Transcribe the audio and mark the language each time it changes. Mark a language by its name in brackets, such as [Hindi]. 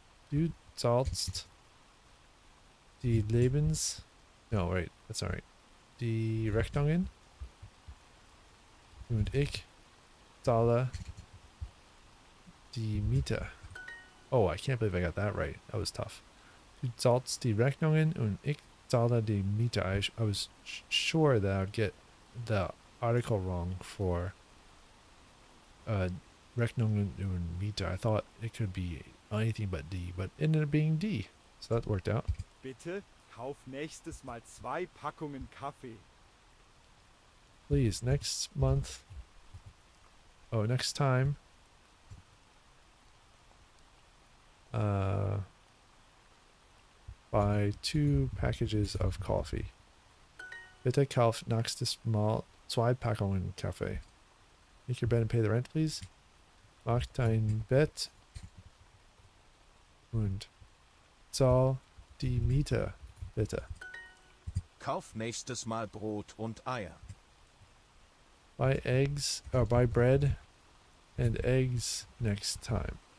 [German] Du zahlst die Lebens... [English] No, wait, that's alright. [German] Die Rechnungen. Und ich zahle die Miete. [English] Oh, I can't believe I got that right. That was tough. [German] Du zahlst die Rechnungen und ich zahle die Miete. [English] I was sure that I'd get the article wrong for Rechnungen und Miete. I thought it could be anything but D, but it ended up being D. So that worked out. [German] Bitte kauf nächstes Mal zwei Packungen Kaffee. [English] Please, next month. Oh, next time. Buy two packages of coffee. [German] Bitte kauf nächstes Mal zwei Packungen Kaffee. [English] Make your bed and pay the rent, please. [German] Mach dein Bett und zahl die Miete, bitte. Kauf nächstes Mal Brot und Eier. [English] Buy eggs, or buy bread and eggs next time.